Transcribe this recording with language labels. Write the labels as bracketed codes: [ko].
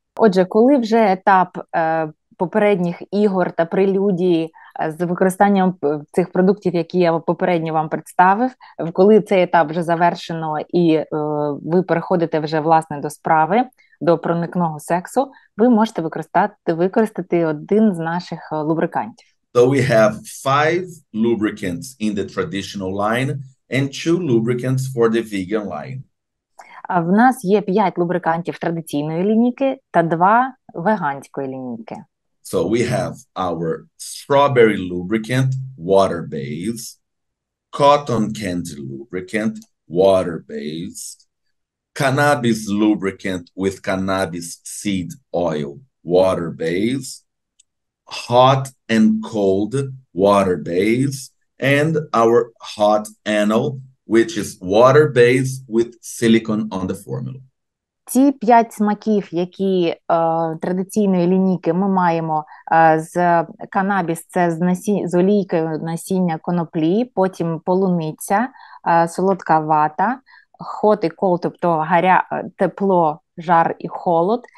[uk] Отже, коли вже етап попередніх ігор та прелюдії з використанням цих продуктів, які я попередньо вам представив, коли цей етап вже завершено і ви переходите вже, власне, до справи, до проникного сексу, ви можете використати один з наших лубрикантів. [en] So we have 5 lubricants in the traditional line and 2 lubricants for the vegan line. [uk] А в нас є 5 лубрикантів традиційної лінійки та 2 веганської лінійки. [en] So we have our strawberry lubricant, water based, cotton candy lubricant, water based, cannabis lubricant with cannabis seed oil, water based, hot and cold, water based, and our hot anal, which is water based with silicone on the formula. [uk] Ці 5 смаків, які традиційної лінійки ми маємо з канабіс, це з олійкою насіння коноплі, потім полуниця, солодка вата, hot і cold, тобто тепло, жар і холод.